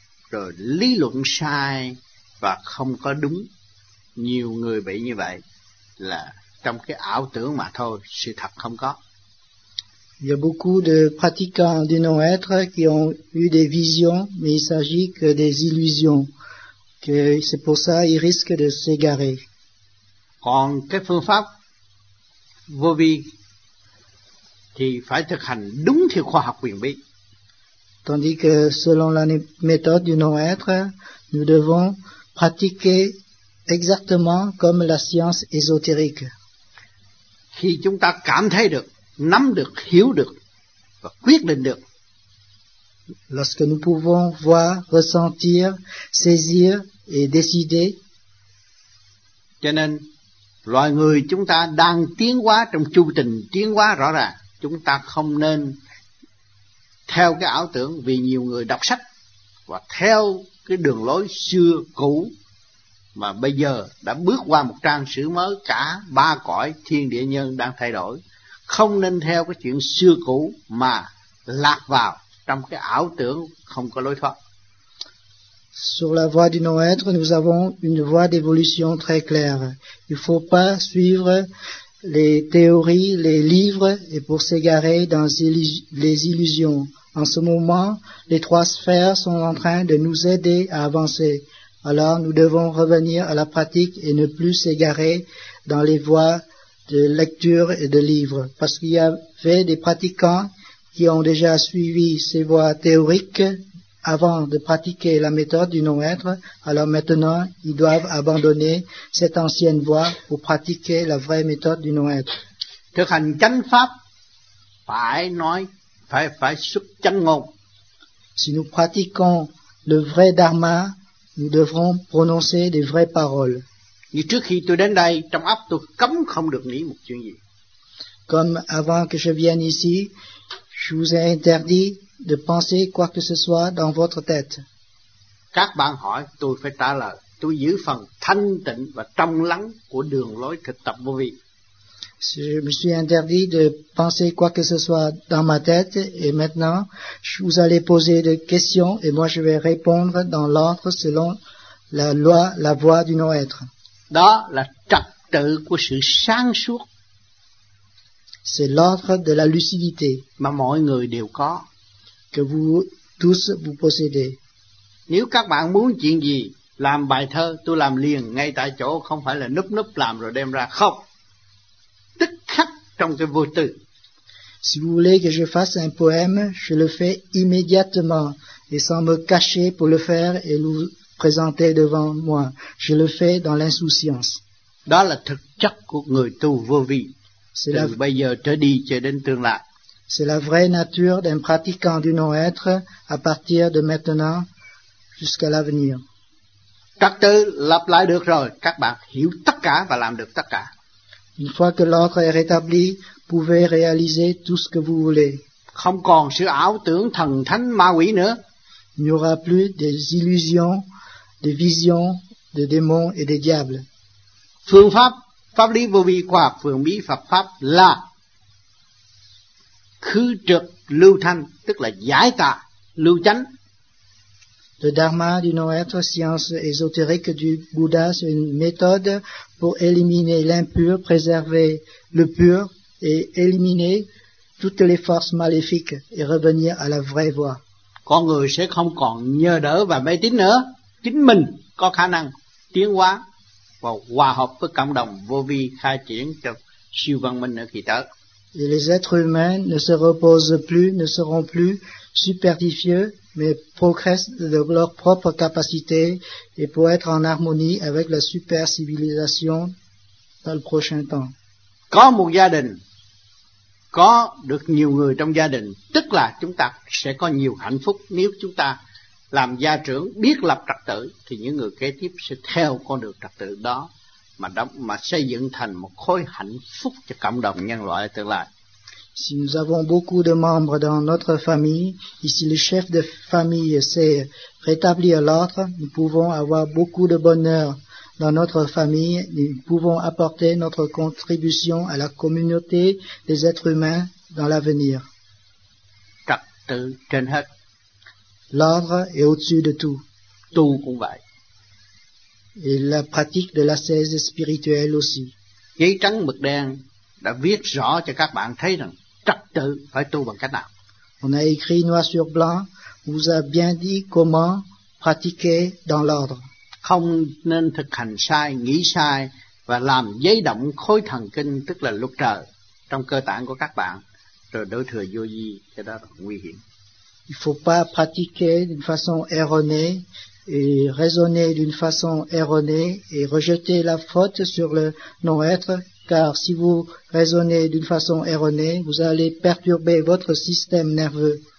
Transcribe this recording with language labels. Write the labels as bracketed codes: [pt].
[vi] Rồi lý luận sai và không có đúng, nhiều người bị như vậy là trong cái ảo tưởng mà thôi, sự thật không có. [fr] Il y a beaucoup de pratiquants du non-être qui ont eu des visions, mais il s'agit que des illusions, que c'est pour ça ils risquent de s'égarer. [vi] Còn cái phương pháp vô vi thì phải thực hành đúng theo khoa học quyền bí. [fr] Tandis que selon la méthode du non-être, nous devons pratiquer exactement comme la science ésotérique. [vi] Khi chúng ta cảm thấy được, nắm được, hiểu được và quyết định được. [fr] Lorsque nous pouvons voir, ressentir, saisir et décider. [vi] Cho nên, loài người chúng ta đang tiến hóa trong chu trình tiến hóa rõ ràng, chúng ta không nên theo cái ảo tưởng, vì nhiều người đọc sách và theo cái đường lối xưa cũ mà bây giờ đã bước qua một trang sử mới, cả ba cõi thiên địa nhân đang thay đổi, không nên theo cái chuyện xưa cũ mà lạc vào trong cái ảo tưởng không có lối thoát. [fr] Sur la voie du non-être, nous avons une voie d'évolution très claire. Il faut pas suivre les théories, les livres, et pour s'égarer dans les illusions. En ce moment, les trois sphères sont en train de nous aider à avancer. Alors, nous devons revenir à la pratique et ne plus s'égarer dans les voies de lecture et de livres. Parce qu'il y avait des pratiquants qui ont déjà suivi ces voies théoriques avant de pratiquer la méthode du non-être, alors maintenant, ils doivent abandonner cette ancienne voie pour pratiquer la vraie méthode du non-être. [vi] Thực hành chánh pháp, phải nói, phải xuất chánh ngôn. [fr] Si nous pratiquons le vrai dharma, nous devrons prononcer des vraies paroles. [vi] Như trước khi tôi đến đây, trong óc tôi cấm không được nghĩ một chuyện gì. [fr] Comme avant que je vienne ici, je vous ai interdit de penser quoi que ce soit dans votre tête. [vi] Các bạn hỏi, tôi phải trả lời, tôi giữ phần thanh tịnh và trong lắng của đường lối thực tập vô vi. [fr] Je me suis interdit de penser quoi que ce soit dans ma tête, et maintenant, vous allez poser des questions, et moi je vais répondre dans l'ordre selon la loi, la voie du non-être. [vi] Đó là trật tự của sự sáng suốt. [fr] C'est l'ordre de la lucidité. [vi] Mà mọi người đều có. [fr] Que vous tous vous possédez. [vi] Nếu các bạn muốn chuyện gì, làm bài thơ, tôi làm liền ngay tại chỗ, không phải là núp núp làm rồi đem ra, không. Tức khắc trong cái vô tư. [fr] Si vous voulez que je fasse un poème, je le fais immédiatement et sans me cacher pour le faire et le présenter devant moi. Je le fais dans l'insouciance. [vi] Đó là thực chất của người tu vô vi. [fr] C'est là [vi] bây giờ trở đi cho đến tương lai. [fr] C'est la vraie nature d'un pratiquant du non-être à partir de maintenant jusqu'à l'avenir. [vi] Trật tự lập lại được rồi, các bạn hiểu tất cả và làm được tất cả. [fr] Une fois que l'ordre est rétabli, vous pouvez réaliser tout ce que vous voulez. [vi] Không còn sự ảo tưởng thần thánh ma quỷ nữa. [fr] Il n'y aura plus des illusions, des visions, des démons et des diables. [vi] Phương pháp, pháp lý vô vi khoa học, phương bí Phật pháp là khứ trực lưu thanh, tức là giải tà lưu chánh. [fr] Le dharma du non-être, science ésotérique du Bouddha, c'est une méthode pour éliminer l'impur, préserver le pur et éliminer toutes les forces maléfiques et revenir à la vraie voie. [vi] Con người sẽ không còn nhờ đỡ và mê tín nữa, chính mình có khả năng tiến hóa và hòa hợp với cộng đồng vô vi khai triển cho siêu văn minh ở kỳ tới. [fr] Et les êtres humains ne se reposent plus, ne seront plus superficieux, mais progressent de leur propre capacité et pour être en harmonie avec la super civilisation dans le prochain temps. [vi] Có một gia đình, có được nhiều người trong gia đình, tức là chúng ta sẽ có nhiều hạnh phúc. Nếu chúng ta làm gia trưởng, biết lập trật tự, thì những người kế tiếp sẽ theo con đường trật tự đó mà xây dựng thành một khối hạnh phúc cho cộng đồng nhân loại tương lai. [fr] Si nous avons beaucoup de membres dans notre famille, et si le chef de famille sait rétablir l'ordre, nous pouvons avoir beaucoup de bonheur dans notre famille, nous pouvons apporter notre contribution à la communauté des êtres humains dans l'avenir. [vi] Trật tự trên hết. [fr] L'ordre est au-dessus de tout. [vi] Tout cũng vậy. [fr] Et la pratique de l'ascèse spirituelle aussi. [vi] Giấy trắng mực đen đã viết rõ cho các bạn thấy rằng trật tự phải tu bằng cách nào. [fr] On a écrit noir sur blanc, vous a bien dit comment pratiquer dans l'ordre. [vi] Không nên thực hành sai, nghĩ sai và làm dấy động khối thần kinh, tức là lục trợ trong cơ tạng của các bạn, rồi đổ thừa vô vi, cái đó là nguy hiểm. [fr] Il faut pas pratiquer d'une façon erronée et raisonner d'une façon erronée et rejeter la faute sur le non-être, car si vous raisonnez d'une façon erronée, vous allez perturber votre système nerveux.